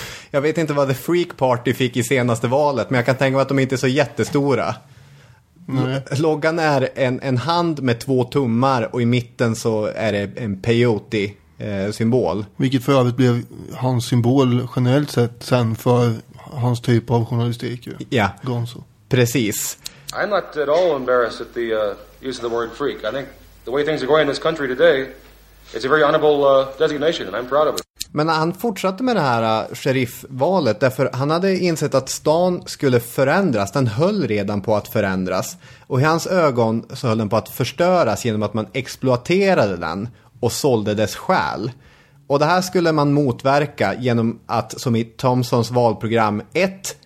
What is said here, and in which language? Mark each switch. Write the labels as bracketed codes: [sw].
[sv] Jag vet inte vad The Freak Party fick i senaste valet, men jag kan tänka mig att de inte är så jättestora. Nej. Loggan är en hand med två tummar och i mitten så är det en peyote-symbol. Vilket för övrigt blev hans symbol generellt sett sen för hans typ av journalistik. Ja, Gonzo. Precis. [en] I'm not at all embarrassed at the use of the word freak. I think the way things are going in this country today, it's a very honorable designation and I'm proud of it. [sv] Men han fortsatte med det här sheriffvalet därför han hade insett att stan skulle förändras. Den höll redan på att förändras. Och i hans ögon så höll den på att förstöras genom att man exploaterade den och sålde dess själ. Och det här skulle man motverka genom att, som i Thompsons valprogram, 1.